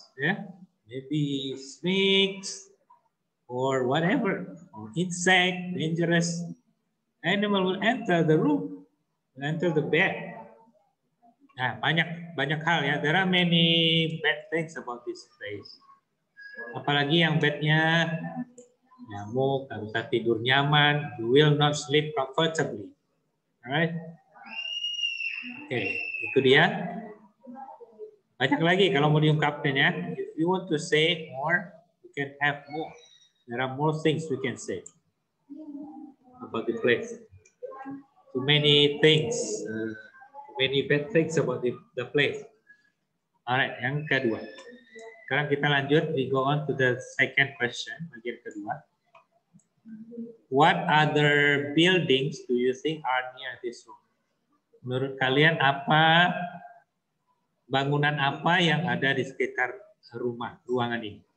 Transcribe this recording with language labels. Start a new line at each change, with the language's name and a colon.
English: Yeah, maybe snakes or whatever or insect, dangerous animal will enter the room, will enter the bed.
Indonesian: Nah, banyak hal ya.
English: There are many bad things about this place. Apalagi
Indonesian: yang bednya nyamuk, gak bisa tidur nyaman.
English: You will not sleep comfortably. Alright? Oke, okay, itu dia.
Indonesian: Banyak lagi kalau mau diungkapkan ya.
English: If you want to say more, you can have more. There are more things we can say about the place. Too many things. Many bad things about the place. Alright,
Indonesian: yang kedua. Sekarang kita lanjut.
English: We go on to the second question.
Indonesian: Bagian kedua.
English: What other buildings do you think are near this room?
Indonesian: Menurut kalian apa bangunan apa yang ada di sekitar rumah, ruangan ini?